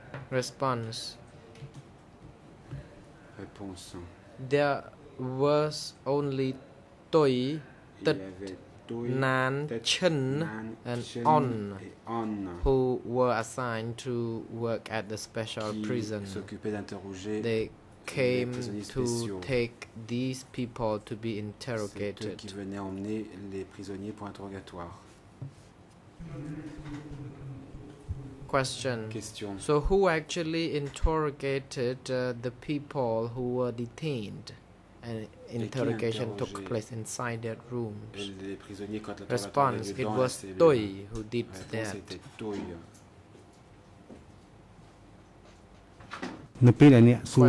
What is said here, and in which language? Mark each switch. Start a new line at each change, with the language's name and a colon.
English: Response: there was only Toi, Tet, Nan, Chen, and On who were assigned to work at the special prison. They came to take these people to be interrogated.
French: C'est eux qui venaient emmener les prisonniers pour interrogatoire.
English: Question. So who actually interrogated the people who were detained and interrogation took place inside their rooms? Response: it was Toi who did that.